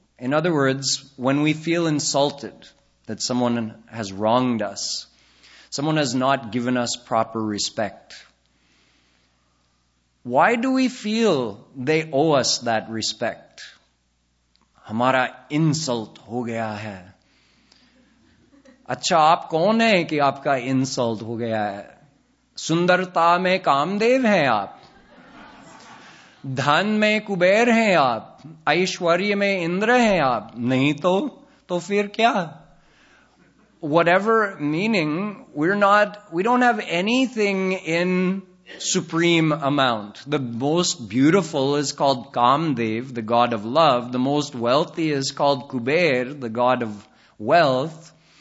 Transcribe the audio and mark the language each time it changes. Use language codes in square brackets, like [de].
[en] In other words, when we feel insulted that someone has wronged us, someone has not given us proper respect, why do we feel they owe us that respect? Hamara insult ho gaya hai. [hi] अच्छा आप कौन है कि आपका insult हो गया है? सुंदरता में कामदेव हैं आप, धन में कुबेर हैं आप, ऐश्वर्य में इंद्र हैं आप, नहीं तो, तो फिर क्या? [en] Whatever meaning, we don't have anything in supreme amount. The most beautiful is called Kamdev, the god of love. The most wealthy is called Kuber, the god of wealth.